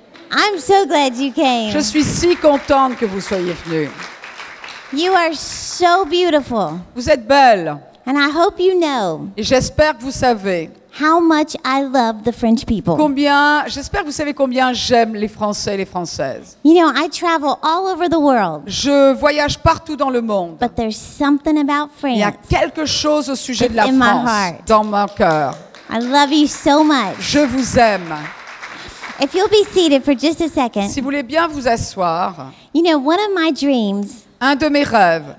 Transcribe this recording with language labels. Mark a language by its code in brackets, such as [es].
[en] I'm so glad you came. [fr] Je suis si contente que vous soyez venue. [en] You are so beautiful. [fr] Vous êtes belle. [en] And I hope you know. [fr] Et j'espère que vous savez. [en] How much I love the French people. [fr] J'espère que vous savez combien j'aime les Français et les Françaises. [en] You know, I travel all over the world. [fr] Je voyage partout dans le monde. [en] But there's something about France. [fr] Il y a quelque chose au sujet de la France. [en] In my heart. [fr] Dans mon cœur. [en] I love you so much. [fr] Je vous aime. [en] If you'll be seated for just a second. [fr] Si vous voulez bien vous asseoir. [en] You know, one of my dreams. [fr] Un de mes rêves,